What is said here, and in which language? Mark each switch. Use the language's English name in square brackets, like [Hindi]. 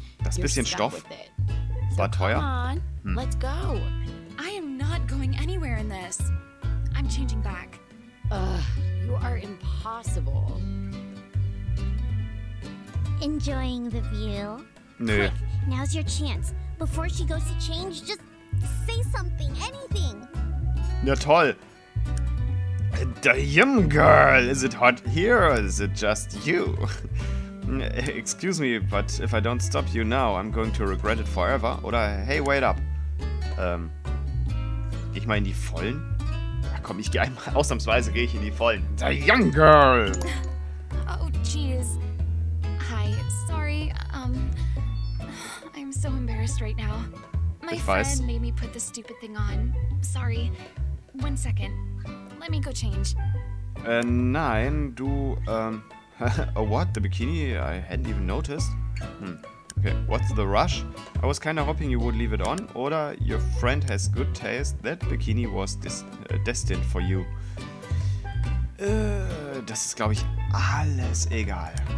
[German] das bisschen Stoff war teuer. [English] Come on, let's go. I am not going anywhere in this. I'm changing back. Ugh, you are impossible. Enjoying the view? [German] Nö. [English] Quick, now's your chance. Before she goes to change, just say something, anything. [German] Na toll. [English] Damn girl, is it hot here or is it just you? Excuse me, but if I don't stop you now, I'm going to regret it forever. Oder, hey, wait up. [German] Geh ich mal in die Vollen? Ja, komm, ich geh einmal. Ausnahmsweise gehe ich in die Vollen. [English] The young girl! Oh, jeez. Hi, sorry. I'm so embarrassed right now. My [German] ich [English] friend [German] weiß. [English] Made me put this stupid thing on. Sorry. One second. Let me go change. [German] Nein, du, [English] oh, what? The bikini? I hadn't even noticed. Okay, what's the rush? I was kinda hoping you would leave it on, oder your friend has good taste. That bikini was destined for you. [German] Das ist, glaube ich, alles egal.